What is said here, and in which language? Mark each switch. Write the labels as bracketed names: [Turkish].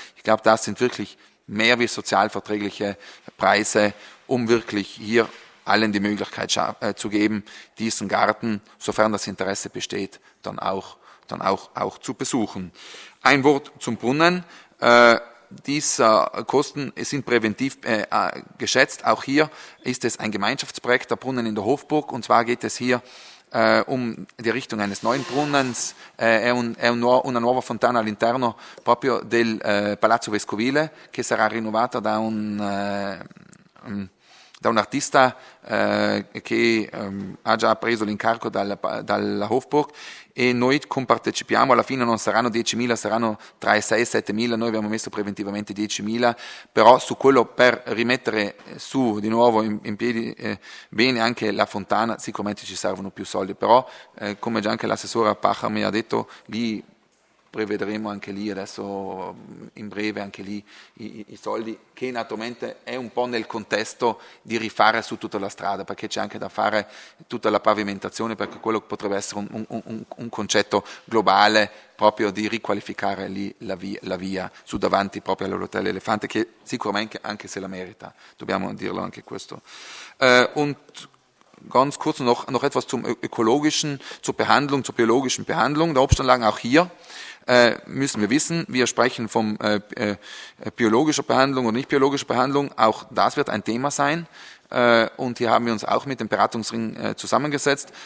[German] Ich glaube, das sind wirklich mehr wie sozialverträgliche Preise, um wirklich hier allen die Möglichkeit zu geben, diesen Garten, sofern das Interesse besteht, dann auch zu besuchen. Ein Wort zum Brunnen. Diese Kosten sind präventiv geschätzt. Auch hier ist es ein Gemeinschaftsprojekt, der Brunnen in der Hofburg. Und zwar geht es hier um die Richtung eines neuen Brunnens, [Italian] una nuova fontana all'interno proprio del Palazzo Vescovile, che sarà rinnovata da un da un artista che ha già preso l'incarico dalla Hofburg, e noi compartecipiamo. Alla fine non saranno 10.000, saranno tra i 6 e 7.000, noi abbiamo messo preventivamente 10.000, però su quello, per rimettere su di nuovo in piedi bene anche la fontana, sicuramente ci servono più soldi, però come già anche l'assessore Pacher mi ha detto, lì prevedremo anche lì adesso in breve anche lì i soldi, che naturalmente è un po' nel contesto di rifare su tutta la strada, perché c'è anche da fare tutta la pavimentazione, perché quello potrebbe essere un concetto globale proprio di riqualificare lì la via su davanti proprio all'Hotel Elefante, che sicuramente anche se la merita, dobbiamo dirlo anche questo. [German] Und ganz kurz noch etwas zum ökologischen, zur biologischen Behandlung der Obstanlagen. Auch hier müssen wir wissen, wir sprechen von biologischer Behandlung und nicht biologischer Behandlung. Auch das wird ein Thema sein. Und hier haben wir uns auch mit dem Beratungsring zusammengesetzt.